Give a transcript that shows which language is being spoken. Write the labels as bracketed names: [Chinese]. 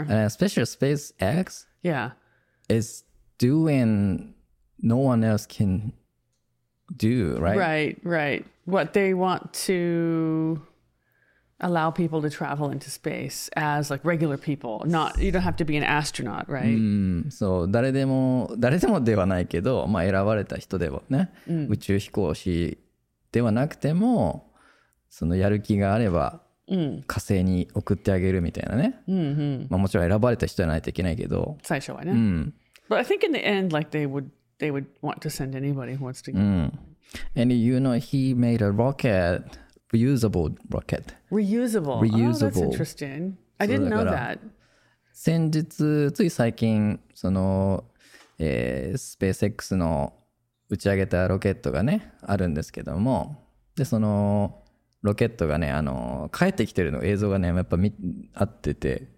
[English] And especially SpaceX. Yeah. Is doing no one else can do, right? Right, right. What they want to allow people to travel into space as like regular people. Not, you don't have to be an astronaut, right? [Japanese] Mm, so, 誰でもではないけど、まあ選ばれた人でもね、宇宙飛行士ではなくても、そのやる気があれば火星に送ってあげるみたいなね。まあもちろん選ばれた人じゃないといけないけど。最初はね。 [English] But I think in the end, like they would want to send anybody who wants to go. And you know, he made a rocket, reusable rocket. Reusable. Oh, that's interesting. I didn't know that. [Japanese] 先日、つい最近、その、SpaceX の打ち上げたロケットがね、あるんですけども、で、その、ロケットがね、帰ってきてるの映像がね、やっぱ見合ってて、